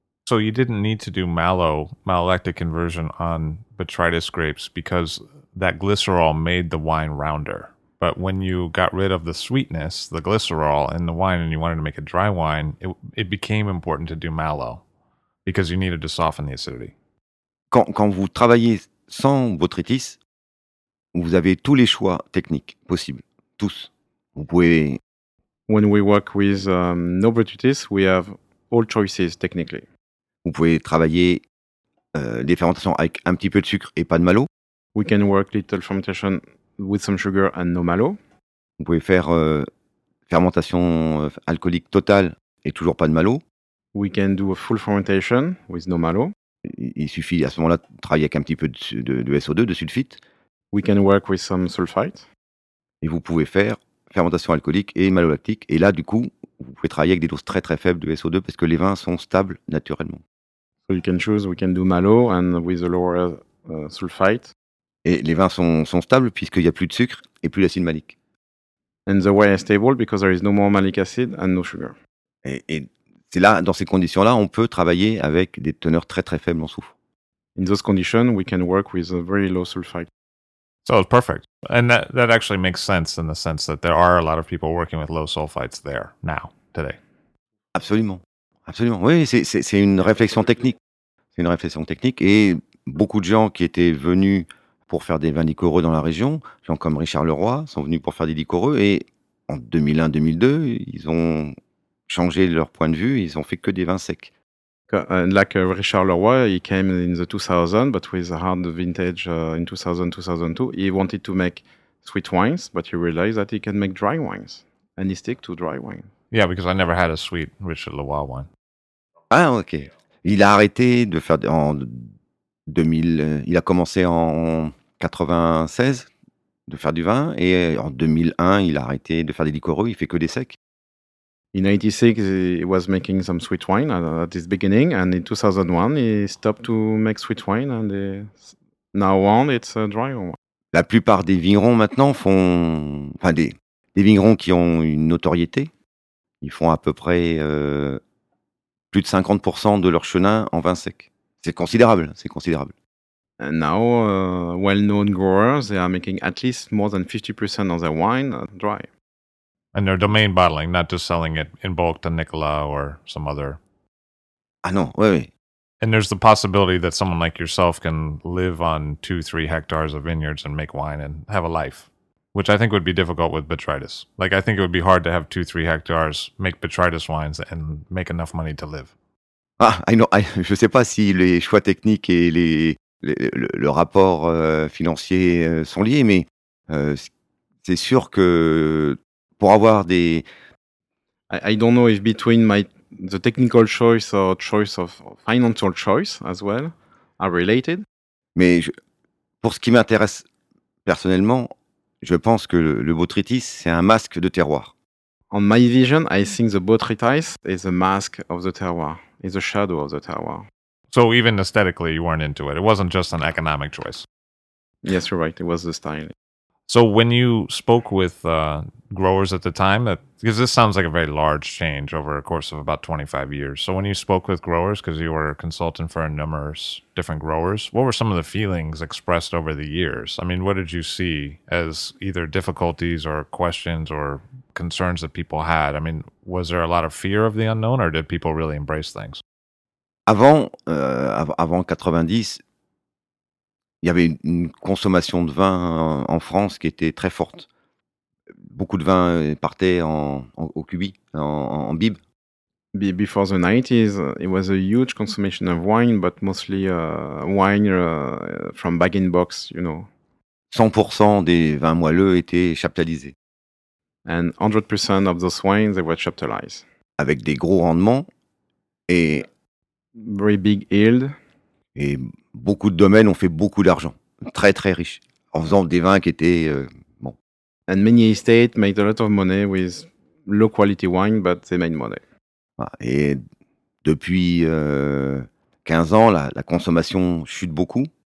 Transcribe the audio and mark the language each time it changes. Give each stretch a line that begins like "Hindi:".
English: So you didn't need to do malolactic conversion on botrytis grapes because that glycerol made the wine rounder. But when you got rid of the sweetness, the glycerol in the wine, and you wanted to make a dry wine, it became important to do malo because you needed to soften the acidity.
French: Quand vous travaillez sans botrytis, vous avez tous les choix techniques possibles, tous. Vous pouvez...
English: When we work with no botrytis, we have all choices technically.
French: Vous pouvez travailler des fermentations avec un petit peu de sucre et pas de malo.
English: We can work little fermentation with some sugar and no malo.
French: Vous pouvez faire fermentation alcoolique totale et toujours pas de malo.
English: We can do a full fermentation with no malo.
French: Il suffit à ce moment-là de travailler avec un petit peu de SO2, de sulfite.
English: We can work with some sulfite.
French: Et vous pouvez faire fermentation alcoolique et malolactique. Et là, du coup, vous pouvez travailler avec des doses très très faibles de SO2 parce que les vins sont stables naturellement.
English: So you can choose, we can do malo and with a lower sulfite.
French: Et les vins sont stables puisqu'il n'y a plus de sucre et plus d'acide malique.
English: And the wine is stable because there is no more malic acid and no sugar.
French: Et C'est là, dans ces conditions-là, on peut travailler avec des teneurs très très faibles en soufre.
English: In those conditions, we can work with a very low sulfite. So it's perfect. And that actually makes sense in the sense that there are a lot of people working with low sulfites there now, today.
French: Absolument. Absolument. Oui, c'est une réflexion technique. C'est une réflexion technique. Et beaucoup de gens qui étaient venus pour faire des vins liquoreux dans la région, gens comme Richard Leroy, sont venus pour faire des liquoreux. Et en 2001-2002, ils ont changé leur point de vue. Ils ont fait que des vins secs.
English: And like Richard Leroy, he came in the 2000, but with a hard vintage in 2000-2002. He wanted to make sweet wines, but he realized that he can make dry wines. And he stick to dry wine. Yeah, because I never had a sweet Richard Leroy wine.
French: Ah, ok. Il a arrêté de faire en 2000. Il a commencé en 96 de faire du vin. Et en 2001, il a arrêté de faire des liquoreux. Il fait que des secs.
English: In 86, he was making some sweet wine at his beginning, and in 2001, he stopped to make sweet wine, and now on, it's a dry wine.
French: La plupart des vignerons maintenant font, enfin des vignerons qui ont une notoriété, ils font à peu près plus de 50% de leur chenin en vin sec. C'est considérable, c'est considérable.
English: And now, well-known growers, they are making at least more than 50% of their wine dry. And they're domain bottling, not just selling it in bulk to Nicolas or some other.
French: Ah non, oui, oui.
English: And there's the possibility that someone like yourself can live on 2-3 hectares of vineyards and make wine and have a life, which I think would be difficult with Botrytis. Like, I think it would be hard to have 2-3 hectares, make Botrytis wines and make enough money to live. Ah, I know.
French: Je sais pas si les choix techniques et le rapport financier sont liés, mais c'est sûr que pour avoir des,
English: I don't know if between the technical choice or choice of financial choice as well are related.
French: Mais pour ce qui m'intéresse personnellement, je pense que le botrytis c'est un masque de terroir.
English: On my vision, I think the botrytis is a mask of the terroir, is a shadow of the terroir. So even aesthetically, you weren't into it. It wasn't just an economic choice. Yes, you're right. It was the styling. So when you spoke with growers at the time, because this sounds like a very large change over a course of about 25 years. So when you spoke with growers, because you were a consultant for numerous different growers, what were some of the feelings expressed over the years? I mean, what did you see as either difficulties or questions or concerns that people had? I mean, was there a lot of fear of the unknown or did people really embrace things?
French: Avant 90, il y avait une consommation de vin en France qui était très forte. Beaucoup de vin partait au cubi, en bib.
English: Before the 90s, it was a huge consumption of wine, but mostly wine from bag-in-box, you know.
French: 100% des vins moelleux étaient chaptalisés.
English: And 100% of those wines, they were chaptalized.
French: Avec des gros rendements et
English: very big yield.
French: Et beaucoup de domaines ont fait beaucoup d'argent, très très riches, en faisant des vins qui étaient bon.
English: And many estates made a lot of money with low quality wine, but they made money.
French: Et depuis 15 ans, la consommation chute beaucoup.